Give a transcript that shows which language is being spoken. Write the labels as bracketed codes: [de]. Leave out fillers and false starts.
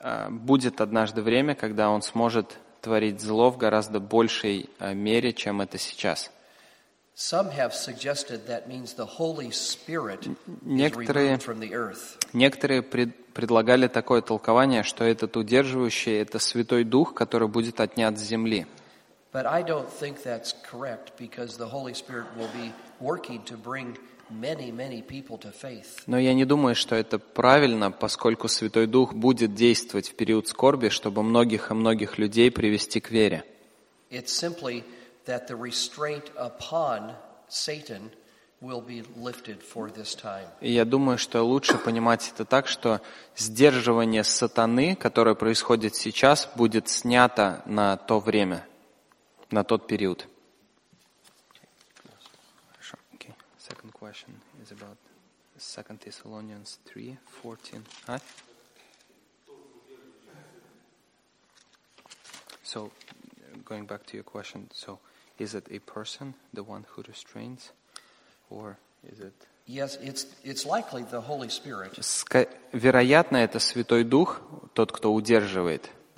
[ru] Будет однажды время, когда он сможет творить зло в гораздо большей мере, чем это сейчас. [en] Some have suggested that means the Holy Spirit is removed from the earth. [ru] Некоторые предлагали такое толкование, что этот удерживающий — это Святой Дух, который будет отнят с земли. [en] But I don't think that's correct, because the Holy Spirit will be working to bring many, many people to faith. [ru] Но я не думаю, что это правильно, поскольку Святой Дух будет действовать в период скорби, чтобы многих и многих людей привести к вере. [en] It's simply that the restraint upon Satan will be lifted for this time. [ru] Я думаю, что лучше понимать это так, что сдерживание сатаны, которое происходит сейчас, будет снято на то время, на тот период. [en] Okay. Second question is about Second Thessalonians 3:14. So, going back to your question, so is it a person, the one who restrains, or is it? Yes, it's likely the Holy Spirit. [ru] Вероятно, это Святой Дух, тот, кто удерживает.